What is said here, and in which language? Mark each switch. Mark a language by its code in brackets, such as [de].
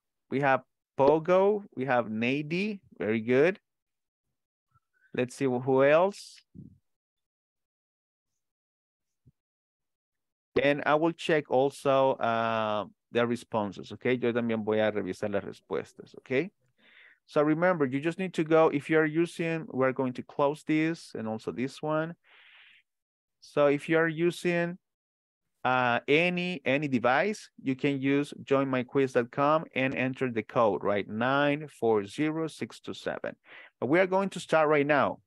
[en] We have Pogo. We have Nady. Very good. Let's see who else. And I will check also their responses, okay? [es] Yo también voy a revisar las respuestas, okay? [en] So remember, you just need to go, if you're using, we're going to close this and also this one. So if you are using any device, you can use joinmyquiz.com and enter the code, right? 940627. But we are going to start right now.